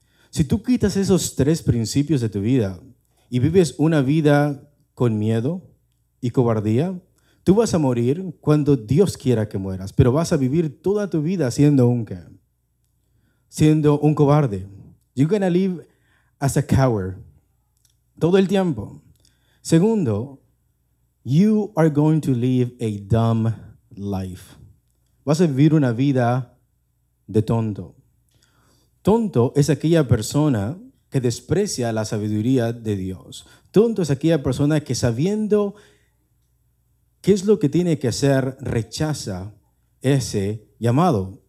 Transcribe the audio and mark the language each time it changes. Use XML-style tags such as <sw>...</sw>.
<es>Si tú quitas esos tres principios de tu vida y vives una vida con miedo y cobardía, tú vas a morir cuando Dios quiera que mueras, pero vas a vivir toda tu vida siendo un qué, siendo un cobarde.</es> <en>You're gonna live as a coward</en> <es>todo el tiempo. Segundo,</es> <en>you are going to live a dumb life.</en> <es>Vas a vivir una vida de tonto. Tonto es aquella persona que desprecia la sabiduría de Dios. Tonto es aquella persona que, sabiendo qué es lo que tiene que hacer, rechaza ese llamado.</es>